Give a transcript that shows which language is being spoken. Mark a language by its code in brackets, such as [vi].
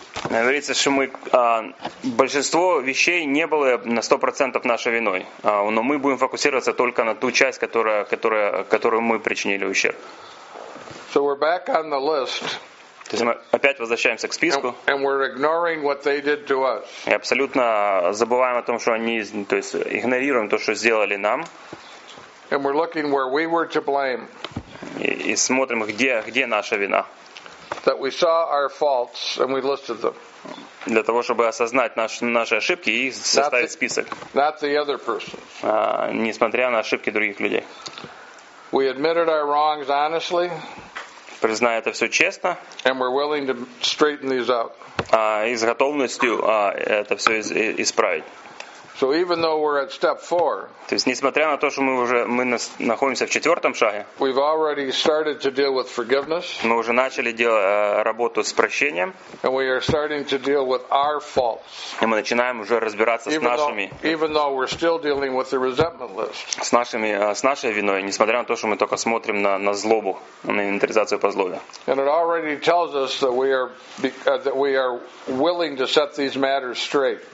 [ru] Говорится, что мы большинство вещей не было на 100% нашей виной, но мы будем фокусироваться только на ту часть, которую мы причинили ущерб. [en] So we're back on the list. [ru] То есть мы опять возвращаемся к списку. [en] And we're ignoring what they did to us. [ru] И абсолютно забываем о том, что они, то есть игнорируем то, что сделали нам. [en] And we're looking where we were to blame. [ru] И смотрим, где наша вина. [en] That we saw our faults and we listed them. [ru] Для того, чтобы осознать наши ошибки и составить список. [en] Not the other person. [ru] Несмотря на ошибки других людей. [en] We admitted our wrongs honestly. [ru] Признаю это все честно. [en] And we're willing to straighten these out. [ru] И с готовностью это все исправить. [en] So even though we're at step four, [ru] то есть несмотря на то, что мы находимся в четвертом шаге, [en] we've already started to deal with forgiveness, [ru] мы уже начали работу с прощением. [en] And we are starting to deal with our faults. [ru] И мы начинаем уже разбираться с нашими. [en] Even though we're still dealing with the resentment list. [ru] С нашей виной, несмотря на то, что мы только смотрим на злобу, на инвентаризацию по злобе. [en] And it already tells us that we are willing to set these matters straight.